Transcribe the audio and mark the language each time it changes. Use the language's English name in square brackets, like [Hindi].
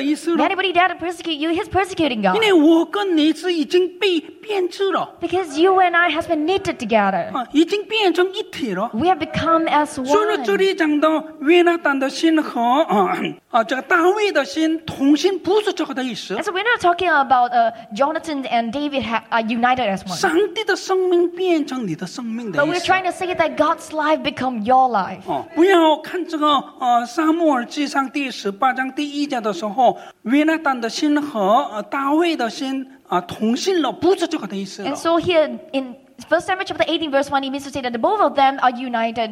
[English] Anybody dare to persecute you, he's persecuting God. [Chinese] 因为我跟你是已经被变质了。 [English] Because you and I have been knitted together. [Chinese] 已经变成一体了。 [English] We have become as one. [Chinese] 所以这里讲到约拿单的心和这个大卫的心同心不是这个的意思。 [English] And so we're not talking about Jonathan and David are united as one. [Chinese] 上帝的生命变成你的生命的意思。 [English] But we're trying to say that God's life become your life. [Chinese] 不要看这个《撒母耳记上》第十八章第一节的时候，约拿单的心和大卫的心同心了，不是这个的意思。 [English] And so here in 1 Samuel chapter 18 verse 1, it means to say that both of them are united.